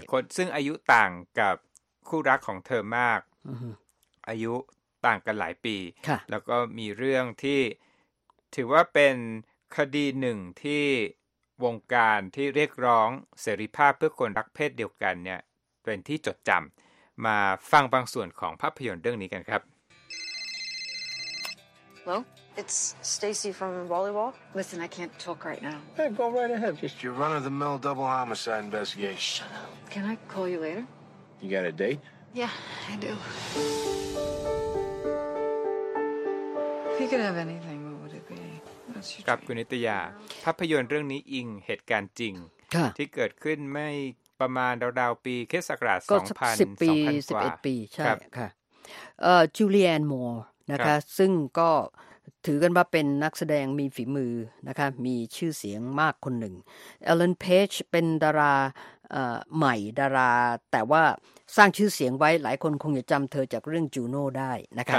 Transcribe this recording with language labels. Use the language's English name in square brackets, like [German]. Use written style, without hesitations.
[Thai] กคนซึ่งอายุต่างกับคู่รักของเธอมาก อายุต่างกันหลายปีแล้วก็มีเรื่องที่ถือว่าเป็นคดีหนึ่งที่วงการที่เรียกร้องเสรีภาพเพื่อคนรักเพศเดียวกันเนี่ยเป็นที่จดจำมาฟังบางส่วนของภาพยนตร์เรื่องนี้กันครับ [English] Hello it's Stacy from Volleyball Listen I can't talk right now Hey go right ahead Just your run of the mill double homicide investigation Shut up Can I call you later You got a date Yeah I do If you could have anything [Thai] กับคุณนิตยาภาพยนตร์เรื่องนี้อิงเหตุการณ์จริงที่เกิดขึ้นไม่ประมาณราวๆปีคริสต์ศักราช2000 2001ปีใช่ค่ะ จูเลียนมอร์นะคะซึ่งก็ถือกันว่าเป็นนักแสดงมีฝีมือนะคะมีชื่อเสียงมากคนหนึ่งเอลลันเพจเป็นดาราใหม่ดาราแต่ว่าสร้างชื่อเสียงไว้หลายคนคงจะจำเธอจากเรื่องจูโน่ได้นะคะ